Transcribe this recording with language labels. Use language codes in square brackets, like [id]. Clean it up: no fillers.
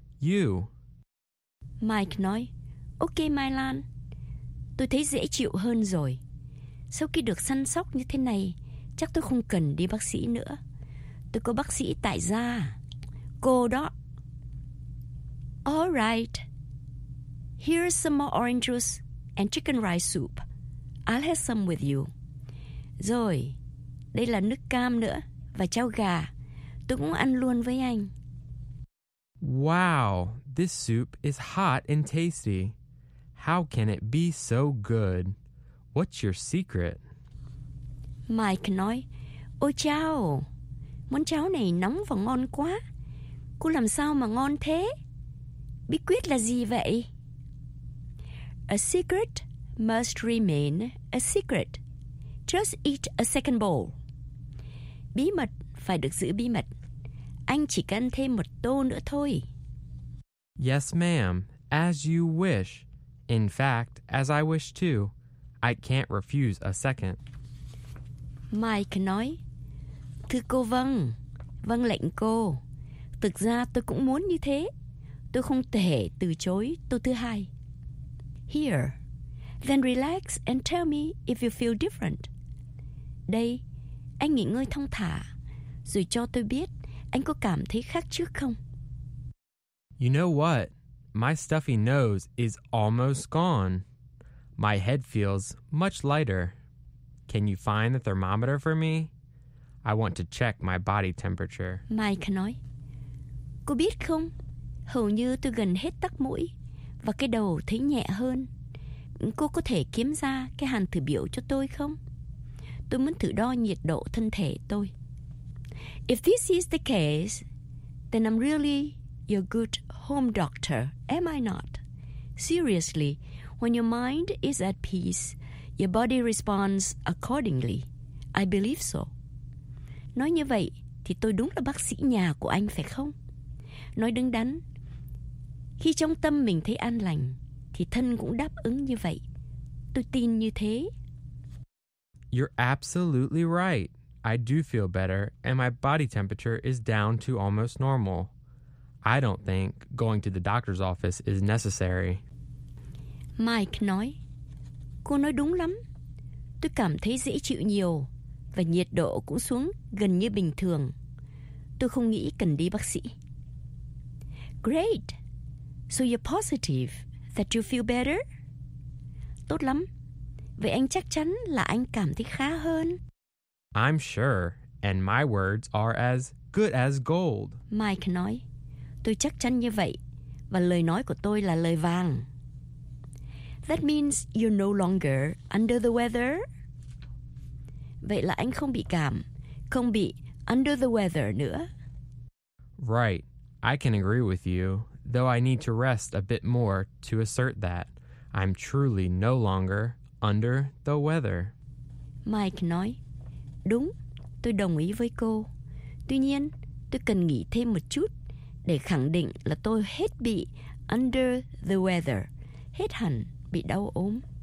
[en] You. [vi] Mike nói, ok Mylon, tôi thấy dễ chịu hơn rồi. Sau khi được săn sóc như thế này, chắc tôi không cần đi bác sĩ nữa. Tôi có bác sĩ tại gia. Cô đó. [en] All right. Here's some more orange juice and chicken rice soup. I'll have some with you. [vi] Rồi. Đây là nước cam nữa và cháo gà. Tôi cũng ăn luôn với anh. [en] Wow, this soup is hot and tasty. How can it be so good? What's your secret? [vi] Mike nói, ôi cháo, món cháo này nóng và ngon quá. Cô làm sao mà ngon thế? Bí quyết là gì vậy? [en] A secret must remain a secret. Just eat a second bowl. [vi] Bí mật phải được giữ bí mật. Anh chỉ cần thêm một tô nữa thôi. [en] Yes, ma'am. As you wish. In fact, as I wish too. I can't refuse a second. [vi] Mike nói, thưa cô vâng, vâng lệnh cô. Thực ra tôi cũng muốn như thế. Tôi không thể từ chối tô thứ hai. [en] here. Then relax and tell me if you feel different. [vi] Đây, anh nghỉ ngơi thong thả, rồi cho tôi biết anh có cảm thấy khác trước không? [en] You know what? My stuffy nose is almost gone. My head feels much lighter. Can you find the thermometer for me? I want to check my body temperature. [vi] Mike nói, cô biết không, hầu như tôi gần hết tắc mũi và cái đầu thấy nhẹ hơn. Cô có thể kiếm ra cái hàn thử biểu cho tôi không? Tôi muốn thử đo nhiệt độ thân thể tôi. [en] If this is the case, then I'm really your good home doctor, am I not? Seriously, when your mind is at peace, your body responds accordingly. I believe so. [vi] Nói như vậy, thì tôi đúng là bác sĩ nhà của anh phải không? Nói đứng đắn, khi trong tâm mình thấy an lành, thì thân cũng đáp ứng như vậy. Tôi tin như thế. [en] You're absolutely right. I do feel better, and my body temperature is down to almost normal. I don't think going to the doctor's office is necessary. [vi] Mike nói, cô nói đúng lắm. Tôi cảm thấy dễ chịu nhiều và nhiệt độ cũng xuống gần như bình thường. Tôi không nghĩ cần đi bác sĩ. [en] Great. So you're positive that you feel better? [vi] Tốt lắm. Vậy anh chắc chắn là anh cảm thấy khá hơn. [en] I'm sure, and my words are as good as gold. [vi] Mike nói, tôi chắc chắn như vậy, và lời nói của tôi là lời vàng. [en] That means you're no longer under the weather. [vi] Vậy là anh không bị cảm, không bị [en] under the weather [vi] nữa. [en] Right, I can agree with you, though I need to rest a bit more to assert that. I'm truly no longer under the weather. [vi] Mike nói, đúng, tôi đồng ý với cô. Tuy nhiên, tôi cần nghỉ thêm một chút để khẳng định là tôi hết bị [en] under the weather, [vi] hết hẳn bị đau ốm.